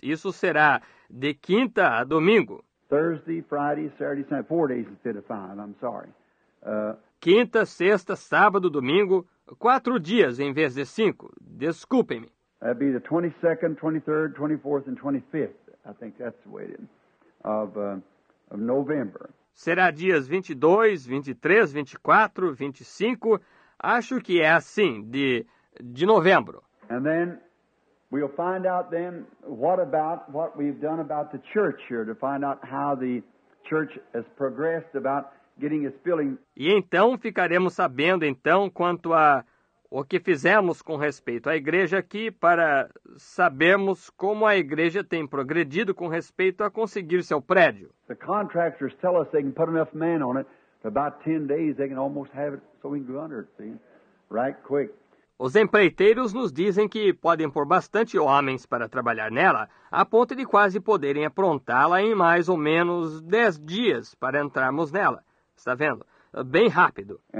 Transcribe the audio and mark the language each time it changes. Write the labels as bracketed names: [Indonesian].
[Portuguese] Isso será de quinta a domingo. [English] Thursday, Friday, Saturday, Sunday. 4 days instead of 5, I'm sorry. [Portuguese] Quinta, sexta, sábado, domingo. 4 dias em vez de 5. Desculpe-me. [English] That'd be the 22nd, 23rd, 24th, and 25th. I think that's the way it is. Of November. [Portuguese] Será dias 22, 23, 24, 25. Acho que é assim, de novembro. [English] And then we'll find out then what we've done about the church here to find out how the church has progressed about getting its building. [Portuguese] E então ficaremos sabendo então quanto a o que fizemos com respeito à igreja aqui para sabermos como a igreja tem progredido com respeito a conseguir seu prédio. [English] The contractors tell us they can put enough men on it for about 10 days they can almost have it so we can go under it, see? Right quick. [Portuguese] Os empreiteiros nos dizem que podem pôr bastante homens para trabalhar nela, a ponto de quase poderem aprontá-la em mais ou menos 10 dias para entrarmos nela. Está vendo? Bem rápido.